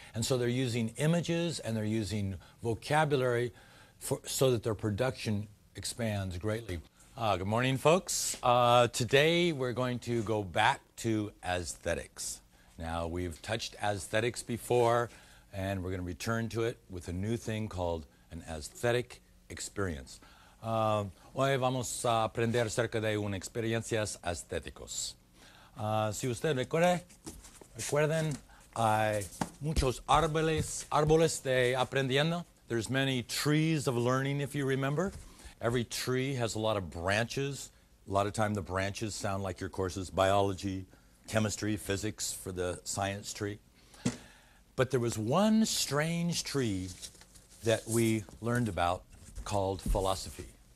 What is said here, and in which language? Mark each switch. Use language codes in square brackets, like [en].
[en] And so they're using images and they're using vocabulary so that their production expands greatly. Good morning, folks. Today we're going to go back to aesthetics. Now, we've touched aesthetics before, and we're going to return to it with a new thing called an aesthetic experience. [es] Hoy vamos a aprender acerca de unas experiencias aesthéticas. Si usted recuerden, hay muchos árboles de aprendiendo. [en] There's many trees of learning, if you remember. Every tree has a lot of branches. A lot of time the branches sound like your courses, biology, chemistry, physics for the science tree. But there was one strange tree that we learned about called philosophy.